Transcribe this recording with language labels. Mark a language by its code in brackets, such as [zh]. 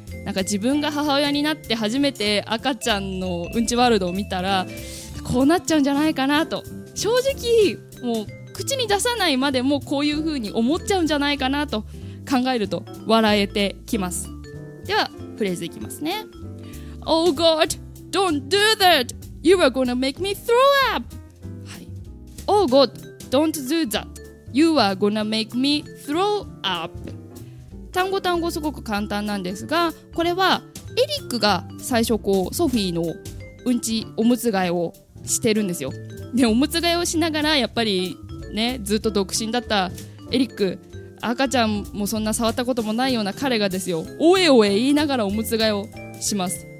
[ja] なんか自分が母親になって初めて赤ちゃんのうんちワールドを見たらこうなっちゃうんじゃないかなと、正直もう口に出さないまでもこういう風に思っちゃうんじゃないかなと考えると笑えてきます。ではフレーズいきますね。 [en] Oh God, don't do that! You are gonna make me throw up!、はい、Oh God, don't do that! You are gonna make me throw up! [ja] 単語単語すごく簡単なんですが、これはエリックが最初こうソフィーのうんちおむつ替えをしてるんですよ。でおむつ替えをしながらやっぱりね、ずっと独身だったエリック、赤ちゃんもそんな触ったこともないような彼がですよ、おえおえ言いながらおむつ替えをします。